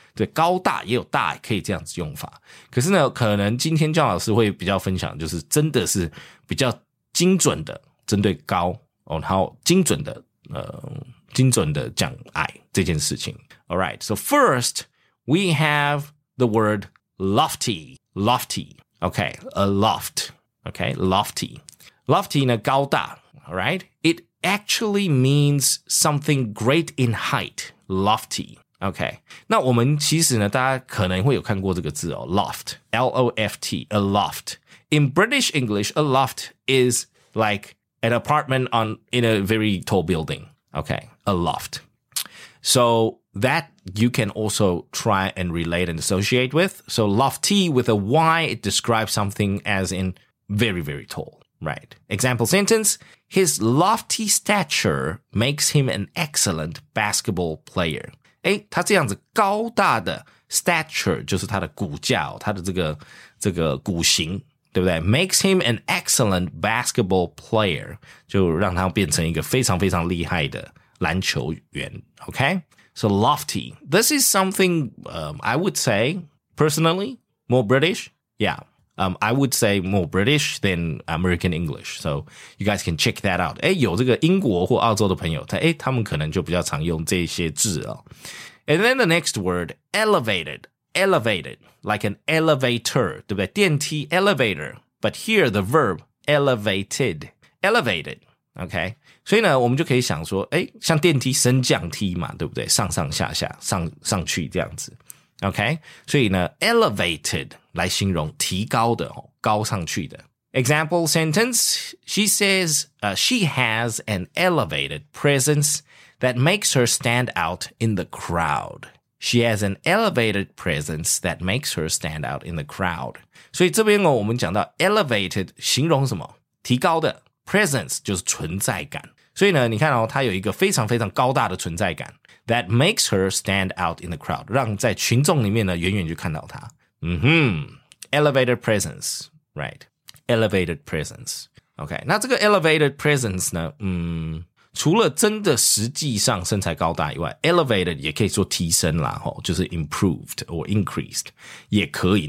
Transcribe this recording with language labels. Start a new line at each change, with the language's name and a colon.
Chinese: 对，高大也有大，可以这样子用法。可是呢，可能今天John老师会比较分享，就是真的是比较精准的针对高、哦、然后精准的讲矮这件事情。
English: All right, so first we have the word lofty, lofty. Okay, a loft. Okay, lofty, lofty
Chinese: 呢高大。
English: All right, it. Actually means something great in height, lofty.
Chinese: Okay, 那我们其实呢，大家可能会有看过这个字哦 ，loft, L-O-F-T, a loft.
English: In British English, a loft is like an apartment in a very tall building. Okay, a loft. So that you can also try and relate and associate with. So lofty with a Y, it describes something as in very, very tall. Right. Example sentence. His lofty stature makes him an excellent basketball player.
Chinese: 诶他这样子高大的 stature 就是他的骨架、哦、他的这个骨型对不对 ?
English: makes him an excellent basketball player.
Chinese: 就让他变成一个非常非常厉害的篮球员。
English: Okay? So lofty. This is something, I would say, personally, more British. Yeah. I would say more British than American English. So you guys can check that out.
Chinese: 诶有这个英国或澳洲的朋友诶他们可能就比较常用这些字哦。
English: And then the next word, elevated. Elevated, like an elevator,
Chinese: 对不对电梯
English: elevator. But here the verb, elevated. Elevated, okay.
Chinese: 所以呢我们就可以想说诶像电梯升降梯嘛对不对上上下下上去这样子。
English: Okay,
Chinese: 所以呢 elevated 来形容提高的、哦、高上去的
English: Example sentence, she says, she has an elevated presence that makes her stand out in the crowd. She has an elevated presence that makes her stand out in the crowd.
Chinese: 所以这边呢我们讲到 elevated 形容什么提高的 presence 就是存在感。所以呢你看哦它有一个非常非常高大的存在感。
English: That makes her stand out in the crowd.
Chinese: 让在群众里面呢远远就看到她。
English: Mm-hmm. Elevated presence. Right. Elevated presence. Okay.
Chinese: 那这个 elevated presence 呢除了真的实际上身材高大以外 ,elevated 也可以说提升啦齁就是
English: improved or increased,
Chinese: 也可以。